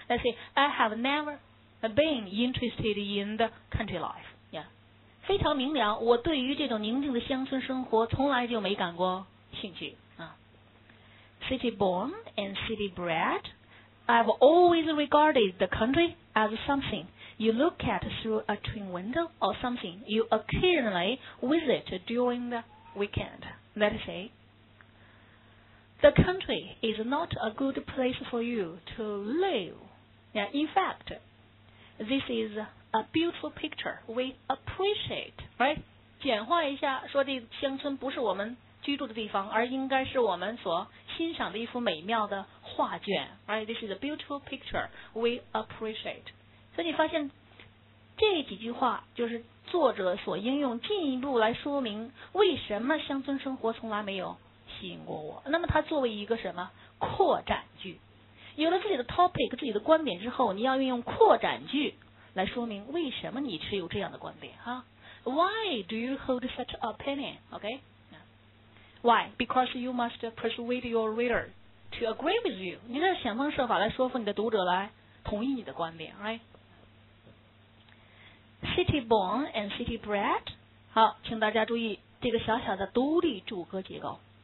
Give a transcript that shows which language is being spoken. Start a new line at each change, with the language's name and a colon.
English: Let's say I have never been interested in the country life.
Chinese: Yeah， 非常明了，我对于这种宁静的乡村生活从来就没感过兴趣啊。
English: City born and city bred, I've always regarded the country as something. You look at through a twin window or something you occasionally visit during the weekend. Let's say, the country is not a good place for you to live. Yeah, in fact, this is a beautiful picture we appreciate. Right?
Chinese: 简化一下，说这乡村不是我们居住的地方，而应该是我们所欣赏的一幅美妙的画卷。
English: Right? This is a beautiful picture we appreciate.
Chinese: 所以你发现这几句话就是作者所应用进一步来说明为什么乡村生活从来没有吸引过我。那么它作为一个什么扩展句，有了自己的 topic 自己的观点之后，你要运用扩展句来说明为什么你持有这样的观点哈。
English: Why do you hold such opinion? OK? Why? Because you must persuade your reader to agree with you.
Chinese: 你要想方设法来说服你的读者来同意你的观点 right?
English: City born and city bred.
Chinese: 好，请大家注意这个小小的独立主格结构。